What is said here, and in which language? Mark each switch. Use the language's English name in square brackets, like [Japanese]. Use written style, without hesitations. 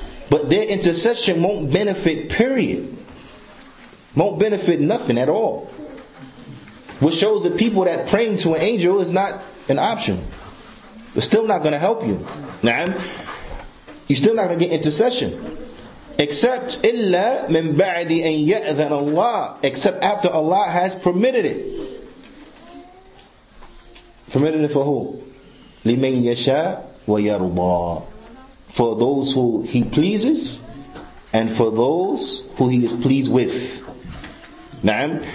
[English] But their intercession won't benefit, period. Won't benefit nothing at all. Which shows that people that praying to an angel is not an option. It's still not going to help you. Na'am. You're still not going to get intercession. Except, [Arabic] إِلَّا مِنْ بَعْدِ أَنْ يَأْذَنَ اللَّهِ. [English] Except after Allah has permitted it. Permitted it for who? [Arabic] لِمَنْ يَشَاء وَيَرْضَى. [English] For those who He pleases, and for those who He is pleased with. Na'am.